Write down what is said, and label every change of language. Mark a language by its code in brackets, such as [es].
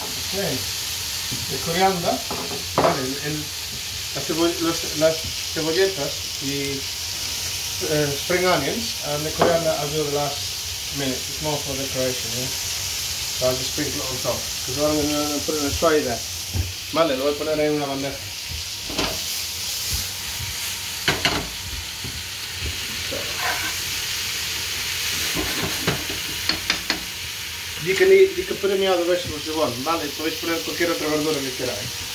[en] Okay, the coriander, [es] vale, el, las cebolletas, [en] the spring onions, and the coriander I'll do the last minute. It's more for decoration. Yeah? So I'll just sprinkle it on top. Because I'm going to put it in a tray there. [es] Vale, lo voy a poner en una bandeja. [en] You can put any other vegetables you want. [es] Vale, podéis poner cualquier otra verdura que queráis.